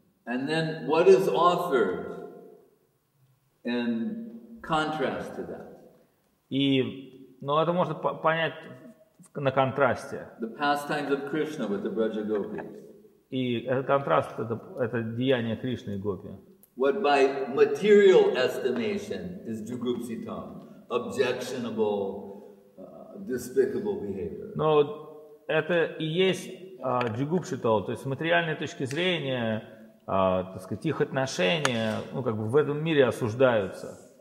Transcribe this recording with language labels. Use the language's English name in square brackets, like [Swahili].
[English] And then what is offered in contrast to that? [Russian] И, это можно понять на контрасте. [English] The pastimes of Krishna with the Braja Gopis. [Russian] И этот контраст это деяние Кришны и Гопи. [English] What by material estimation is Jugupsitam, objectionable, despicable behavior. [Russian] Но это и есть Jugupsitam, то есть с материальной точки зрения, их отношения, в этом мире осуждаются.